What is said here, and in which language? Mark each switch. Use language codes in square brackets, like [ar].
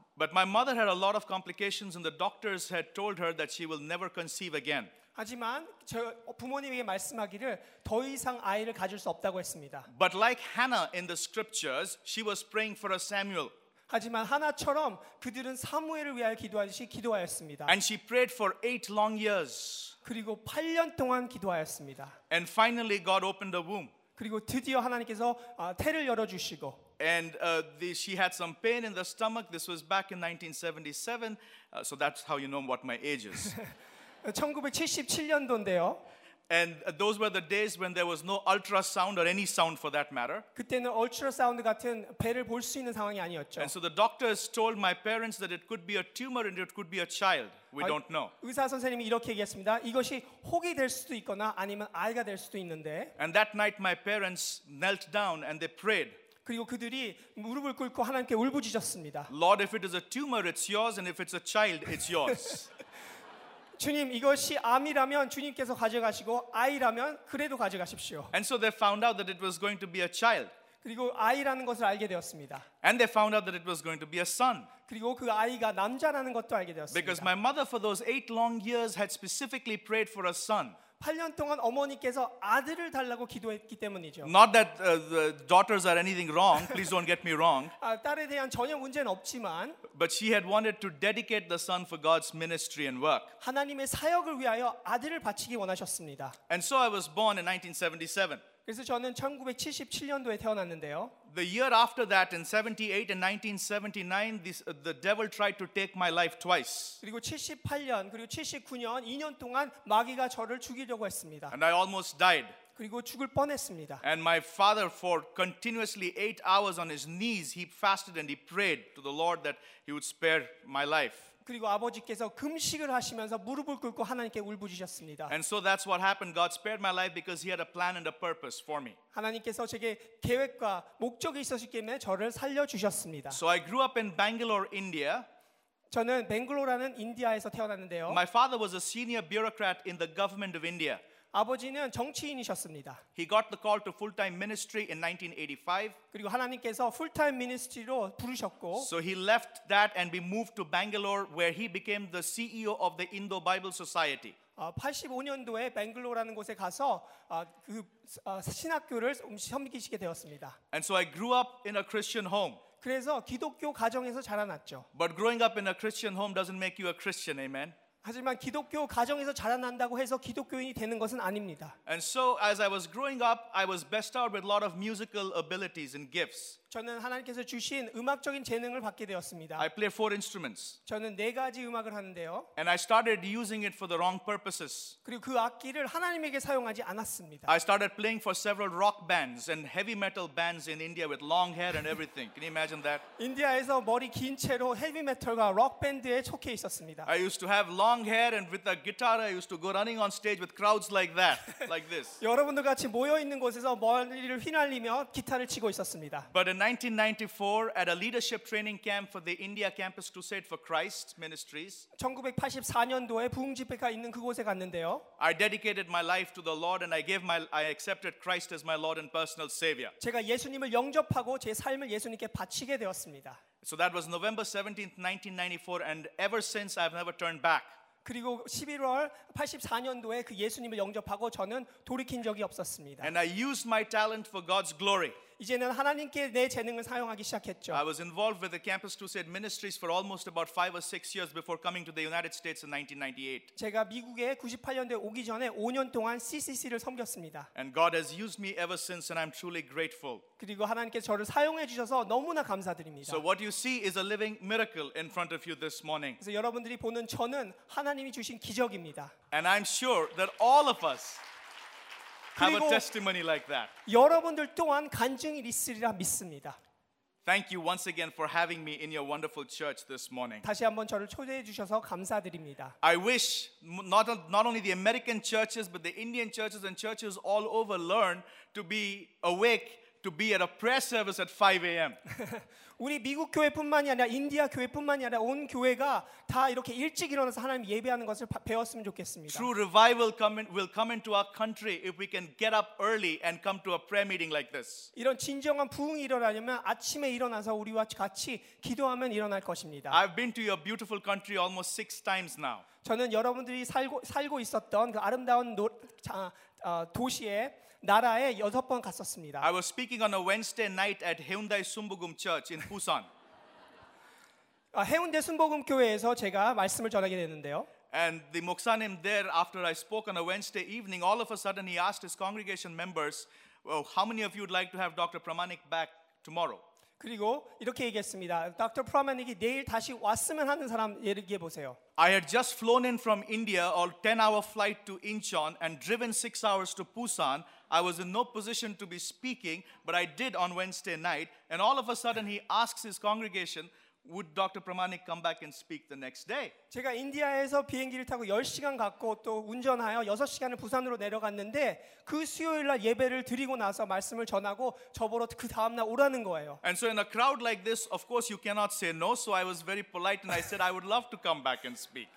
[en] But my mother had a lot of complications, and the doctors had told her that she will never conceive again. [ko] 하지만 저 부모님에게 말씀하기를 더 이상 아이를 가질 수 없다고 했습니다. [en] But like Hannah in the scriptures, she was praying for a Samuel. [ko] 하지만 하나처럼 그들은 사무엘을 위하여 기도하듯이 기도하였습니다. [en] And she prayed for 8 long years. [ko] 그리고 8년 동안 기도하였습니다. [en] And finally God opened the womb. [ko] 그리고 드디어 하나님께서 태를 열어 주시고 [en] And she had some pain in the stomach. This was back in 1977. So that's how you know what my age is. [ko] 1977년도인데요. [en] And those were the days when there was no ultrasound or any sound for that matter. [ko] 그때는 ultrasound 같은 배를 볼 수 있는 상황이 아니었죠. [en] And so the doctors told my parents that it could be a tumor and it could be a child. We don't know. [ko] 의사 선생님이 이렇게 얘기했습니다. 이것이 혹이 될 수도 있거나 아니면 아이가 될 수도 있는데. [en] And that night my parents knelt down and they prayed. [ko] 그리고 그들이 무릎을 꿇고 하나님께 울부짖었습니다. [en] Lord, if it is a tumor, it's yours, and if it's a child, it's yours. [ko] 주님 이것이 암이라면 주님께서 가져가시고 아이라면 그래도 가져가십시오. [en] And so they found out that it was going to be a child. [ko] 그리고 아이라는 것을 알게 되었습니다. [en] And they found out that it was going to be a son. [ko] 그리고 그 아이가 남자라는 것도 알게 되었습니다. [en] Because my mother for those 8 long years had specifically prayed for a son. [ko] 8년 동안 어머니께서 아들을 달라고 기도했기 때문이죠. [en] Not that the daughters are anything wrong. Please don't get me wrong. [ko] 딸에 대한 전혀 문제는 없지만. [en] But she had wanted to dedicate the son for God's ministry and work. [ko] 하나님의 사역을 위하여 아들을 바치기 원하셨습니다. [en] And so I was born in 1977. [ko] 그래서 저는 1977년도에 태어났는데요. [en] The year after that, in 78 and 1979, the devil tried to take my life twice. [ko] 그리고 78년 그리고 79년 2년 동안 마귀가 저를 죽이려고 했습니다. [en] And I almost died. [ko] 그리고 죽을 뻔했습니다. [en] And my father, for continuously 8 hours on his knees, he fasted and he prayed to the Lord that he would spare my life. [ko] 그리고 아버지께서 금식을 하시면서 무릎을 꿇고 하나님께 울부짖었습니다. [en] And so that's what happened. God spared my life because he had a plan and a purpose for me. [ko] 하나님께서 제게 계획과 목적이 있었기 때문에 저를 살려 주셨습니다. [en] So I grew up in Bangalore, India. [ko] 저는 벵글로라는 인디아에서 태어났는데요. [en] My father was a senior bureaucrat in the government of India. [ko] 아버지는 정치인이셨습니다. [en] He got the call to full-time ministry in 1985. [ko] 그리고 하나님께서 [en] full-time ministry [ko] 로 부르셨고. [en] So he left that and we moved to Bangalore where he became the CEO of the Indo Bible Society. [ko] 85년도에 뱅글로라는 곳에 가서 그 신학교를 섬기시게 되었습니다. [en] And so I grew up in a Christian home. [ko] 그래서 기독교 가정에서 자라났죠. [en] But growing up in a Christian home doesn't make you a Christian, amen. [ko] 하지만 기독교 가정에서 자라난다고 해서 기독교인이 되는 것은 아닙니다. [en] And so as I was growing up, I was bestowed with a lot of musical abilities and gifts. [ko] 저는 하나님께서 주신 음악적인 재능을 받게 되었습니다. [en] I play 4 instruments. [ko] 저는 네 가지 음악을 하는데요. [en] And I started using it for the wrong purposes. [ko] 그리고 그 악기를 하나님에게 사용하지 않았습니다. [en] I started playing for several rock bands and heavy metal bands in India with long hair and everything. Can you imagine that? [ko] 인디아에서 머리 긴 채로 헤비 메탈과 록 밴드에 속해 있었습니다. [en] I used to have long hair and with a guitar I used to go running on stage with crowds like that, like this. [ko] 여러분들 같이 모여 있는 곳에서 머리를 휘날리며 기타를 치고 있었습니다. [en] In 1994 at a leadership training camp for the India Campus Crusade for Christ Ministries. [ko] 1984년도에 부흥 집회가 있는 그곳에 갔는데요. [en] I dedicated my life to the Lord and I accepted Christ as my Lord and personal savior. [ko] 제가 예수님을 영접하고 제 삶을 예수님께 바치게 되었습니다. [en] So that was November 17th 1994 and ever since I've never turned back. [ko] 그리고 11월 84년도에 그 예수님을 영접하고 저는 돌이킨 적이 없었습니다. [en] And I used my talent for God's glory. [ko] 이제는 하나님께 내 재능을 사용하기 시작했죠. [en] I was involved with the Campus Crusade Ministries for almost about 5 or 6 years before coming to the United States in 1998. [ko] 제가 미국에 98년도에 오기 전에 5년 동안 CCC를 섬겼습니다. [en] And God has used me ever since and I'm truly grateful. [ko] 그리고 하나님께 저를 사용해 주셔서 너무나 감사드립니다. [en] So what you see is a living miracle in front of you this morning. [ko] 그래서 여러분들이 보는 저는 하나님이 주신 기적입니다. [en] And I'm sure that all of us have a testimony like that. [ko] 여러분들 또한 간증이 있으리라 믿습니다. [en] Thank you once again for having me in your wonderful church this morning. [ko] 다시 한번 저를 초대해 주셔서 감사드립니다. [en] I wish not only the American churches but the Indian churches and churches all over learn to be awake to be at a prayer service at 5 a.m. [ko] 우리 미국 교회뿐만이 아니라 인디아 교회뿐만이 아니라 온 교회가 다 이렇게 일찍 일어나서 하나님 예배하는 것을 배웠으면 좋겠습니다. [en] True revival will come into our country if we can get up early and come to a prayer meeting like this. [ko] 이런 진정한 부흥이 일어나려면 아침에 일어나서 우리와 같이 기도하면 일어날 것입니다. [en] I've been to your beautiful country almost 6 times now. [ko] 저는 여러분들이 살고 있었던 그 아름다운 도시에 나라에 여섯 번 갔었습니다. [en] I was speaking on a Wednesday night at Hyundai Sumbogum Church in Busan. [ko] 해운대 순복음 교회에서 제가 말씀을 전하게 됐는데요. [en] And the moksanim there after I spoke on a Wednesday evening all of a sudden he asked his congregation members, "Well, how many of you would like to have Dr. Pramanik back tomorrow?" [ko] 그리고 이렇게 얘기했습니다. 닥터 프라마닉이 내일 다시 왔으면 하는 사람 얘기해 보세요. [en] I had just flown in from India on a 10-hour flight to Incheon and driven 6 hours to Busan. I was in no position to be speaking, but I did on Wednesday night. And all of a sudden, he asks his congregation, would Dr. Pramanik come back and speak the next day? [ko] 제가 인디아에서 비행기를 타고 10시간 갔고 또 운전하여 6시간을 부산으로 내려갔는데 그 수요일 날 예배를 드리고 나서 말씀을 전하고 저보러 그 다음 날 오라는 거예요. [en] And so in a crowd like this, of course you cannot say no. So I was very polite and I said I would love to come back and speak.